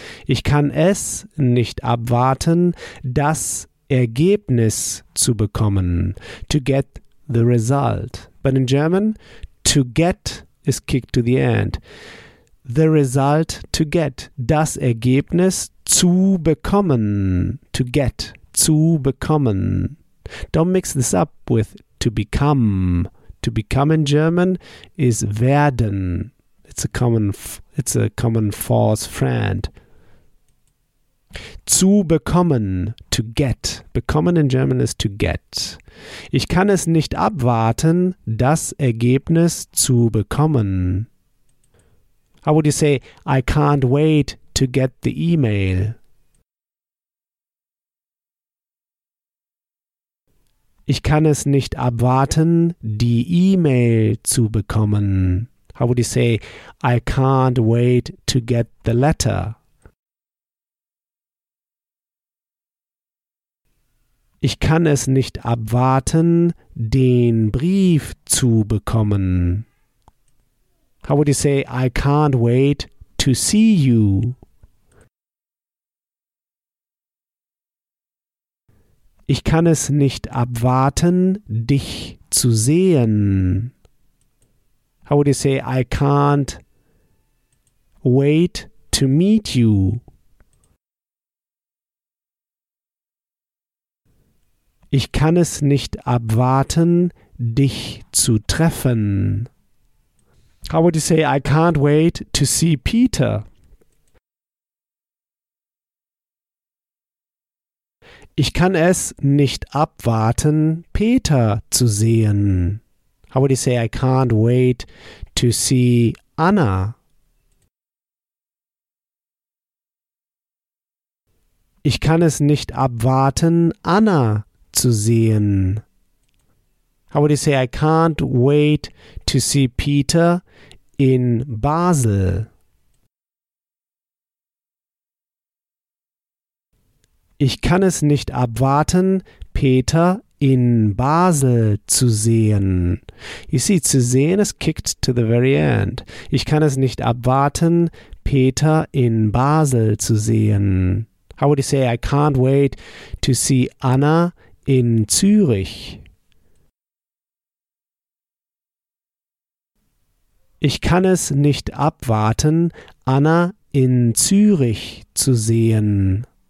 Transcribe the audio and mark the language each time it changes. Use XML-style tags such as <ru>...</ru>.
<de>Ich kann es nicht abwarten, das Ergebnis zu bekommen.</de> <en>To get the result. But in German, to get is kicked to the end. The result to get.</en> <de>Das Ergebnis zu bekommen.</de> <en>To get.</en> <de>Zu bekommen.</de> <en>Don't mix this up with to become. To become in German is werden. It's a common false friend.</en> <de>Zu bekommen,</de> <en>to get. Bekommen in German is to get.</en> <de>Ich kann es nicht abwarten, das Ergebnis zu bekommen.</de> <en>How would you say, I can't wait to get the email?</en> <de>Ich kann es nicht abwarten, die E-Mail zu bekommen.</de> <en>How would you say, I can't wait to get the letter?</en> <de>Ich kann es nicht abwarten, den Brief zu bekommen.</de> <en>How would you say, I can't wait to see you?</en> <de>Ich kann es nicht abwarten, dich zu sehen.</de> <en>How would you say, I can't wait to meet you?</en> <de>Ich kann es nicht abwarten, dich zu treffen.</de> <en>How would you say, I can't wait to see Peter?</en> <de>Ich kann es nicht abwarten, Peter zu sehen.</de> <en>How would you say, I can't wait to see Anna?</en> <de>Ich kann es nicht abwarten, Anna zu sehen.</de> <en>How would you say, I can't wait to see Peter in Basel?</en> <de>Ich kann es nicht abwarten, Peter in Basel zu sehen.</de> <en>You see,</en> <de>zu sehen</de> <en>is kicked to the very end.</en> <de>Ich kann es nicht abwarten, Peter in Basel zu sehen.</de> <en>How would you say, I can't wait to see Anna in Zürich?</en> <de>Ich kann es nicht abwarten, Anna in Zürich zu sehen.</de>